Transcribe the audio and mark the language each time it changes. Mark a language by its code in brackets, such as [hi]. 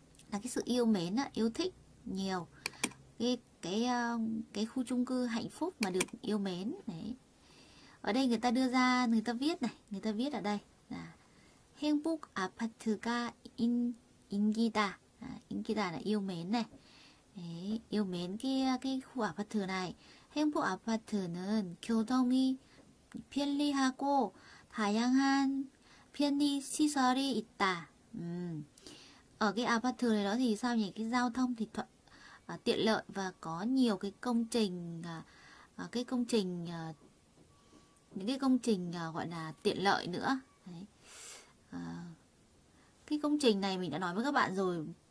[vi] Là cái sự yêu mến á, yêu thích nhiều cái khu chung cư hạnh phúc mà được yêu mến đấy. Ở đây người ta đưa ra, người ta viết này, người ta viết ở đây là hạnh phúc [ko] apatu ga inki da. [vi] Inki da là yêu mến này. Đấy, yêu mến cái khu apartment này. [ko] Hạnh phúc apartment는 교통이 편리하고 다양한 편리 시설이 있다. [vi] Ở cái apartment này đó thì sao nhỉ? Cái giao thông thì tiện lợi và có nhiều cái công trình cái công trình những cái công trình gọi là tiện lợi nữa. Đấy. Cái công trình này mình đã nói với các bạn rồi.